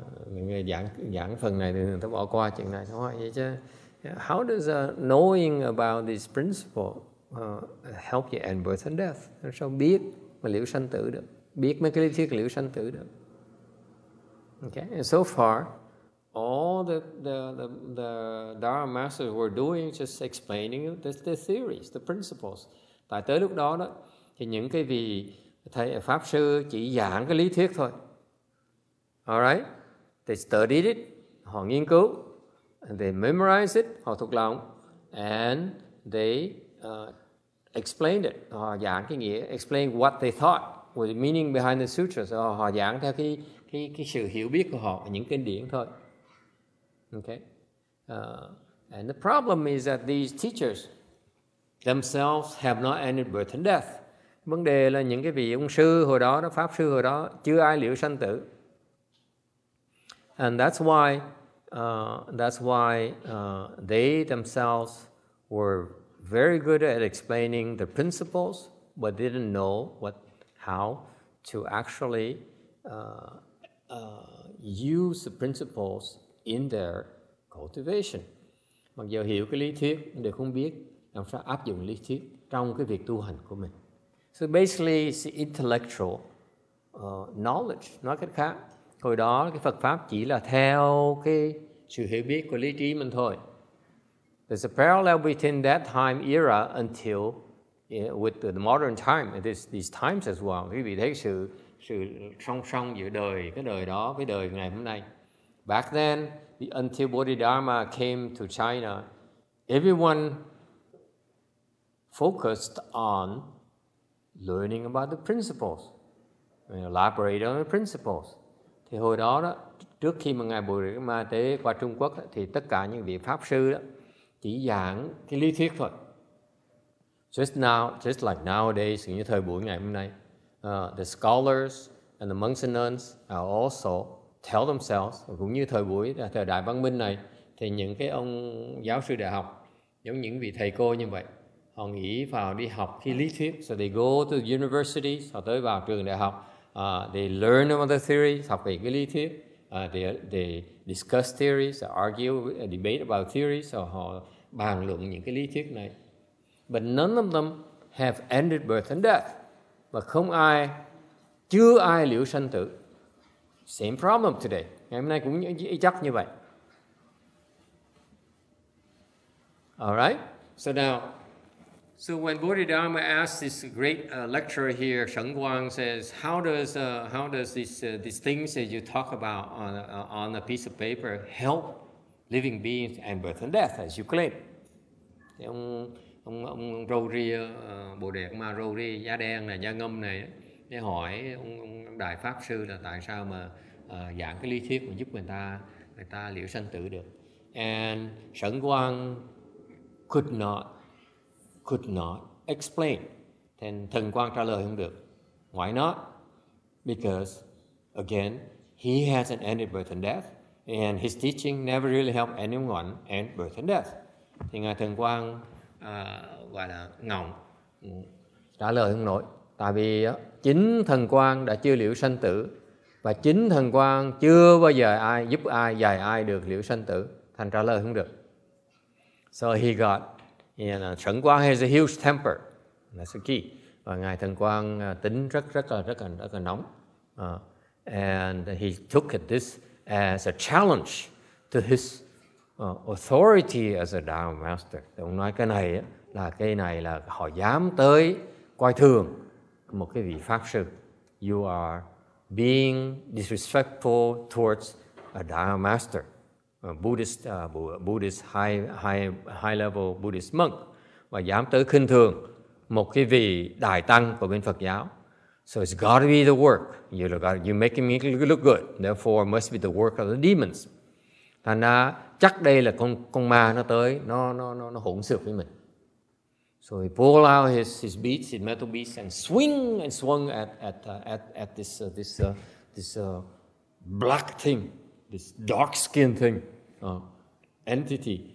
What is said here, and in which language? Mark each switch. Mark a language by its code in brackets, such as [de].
[vi] Người giảng phần này thì người ta bỏ qua chuyện này. [en] How does knowing about this principle help you end birth and death? [vi] Sao biết mà liệu sanh tử được? Biết mấy cái lý thuyết liệu sanh tử được? [en] Okay. And so far, all the Dharma masters were doing just explaining the theories, the principles. [vi] Tại tới lúc đó đó, thì những cái vị thầy pháp sư chỉ giảng cái lý thuyết thôi. [en] All right, they studied it, [vi] họ nghiên cứu, [en] and they memorized it, [vi] họ thuộc lòng, [en] and they explained it. [vi] Họ giảng cái nghĩa, [en] explain what they thought was the meaning behind the sutras. [vi] So họ giảng theo cái sự hiểu biết của họ, những kinh điển thôi. [en] Okay, and the problem is that these teachers themselves have not ended birth and death. [vi] Vấn đề là những cái vị ông sư hồi đó, đó pháp sư hồi đó chưa ai liệu sanh tử. [en] And that's why they themselves were very good at explaining the principles, but didn't know how to actually use the principles in their cultivation. [vi] Mặc dù hiểu cái lý thuyết, nhưng không biết làm sao áp dụng lý thuyết trong cái việc tu hành của mình. [en] So basically, it's intellectual knowledge. [vi] Nói cách khác, hồi đó cái Phật pháp chỉ là theo cái sự hiểu biết của lý trí mình thôi. [en] There's a parallel between that time era until with the modern time, these times as well. [vi] Quý vị thấy sự song song giữa đời cái đời đó với đời ngày hôm nay. [en] Back then, until Bodhidharma came to China, everyone focused on learning about the principles, elaborate on the principles. [vi] Thì hồi đó đó, trước khi mà Ngài Bồ Đề Ga Ma tới qua Trung Quốc đó, thì tất cả những vị pháp sư đó chỉ giảng cái lý thuyết thôi. [en] Just like nowadays, [vi] như thời buổi ngày hôm nay, [en] the scholars and the monks and nuns are also tell themselves, [vi] cũng như thời buổi, thời đại văn minh này, thì những cái ông giáo sư đại học, giống những vị thầy cô như vậy, họ nghĩ vào đi học cái lý thuyết. [en] So they go to the university, [vi] họ tới vào trường đại học, [en] they learn about the theory, [vi] học về cái lý thuyết, [en] they discuss theories, debate about theories, so [vi] họ bàn luận những cái lý thuyết này. [en] But none of them have ended birth and death. [vi] Và không ai, chưa ai liệu sanh tử. [en] Same problem today. [vi] Ngày hôm nay cũng chắc như vậy. [en] All right. So now, so when Bodhidharma asks this great lecturer here, Sheng Guang says, how does these things that you talk about on a piece of paper help living beings and birth and death as you claim? [vi] Thì ông Rouri, Bồ Đề Ma Rouri, da đen này, da ngâm này, để hỏi ông đại pháp sư là tại sao mà giảng cái lý thuyết mà giúp người ta liệu sanh tử được. [en] And Sẩn Quang could not explain. [vi] Then Thần Quang trả lời không được. [en] Why not? Because again, he hasn't ended birth and death, and his teaching never really helped anyone end birth and death. [vi] Thì ngài Thần Quang gọi là ngọng, trả lời không nổi. Tại vì chính Thần Quang đã chưa liệu sanh tử. Và chính Thần Quang chưa bao giờ ai giúp ai, dạy ai được liệu sanh tử. Thành trả lời không được. [en] So he got, Sẩn Quang has a huge temper. That's the key. [vi] Và Ngài Thần Quang tính rất là nóng. [en] And he took this as a challenge to his authority as a Dao master. [vi] Thì ông nói cái này là họ dám tới coi thường một cái vị pháp sư. [en] You are being disrespectful towards a Dao master, a Buddhist high level Buddhist monk, [vi] và dám tới khinh thường một cái vị đại tăng của bên Phật giáo. [en] So it's got to be the work. You're making me look good. Therefore, it must be the work of the demons. [vi] Thành ra chắc đây là con ma nó tới, nó hỗn xược với mình. [en] So he pulled out his beads, his metal beads, and swung at this black thing, this dark skin thing, entity.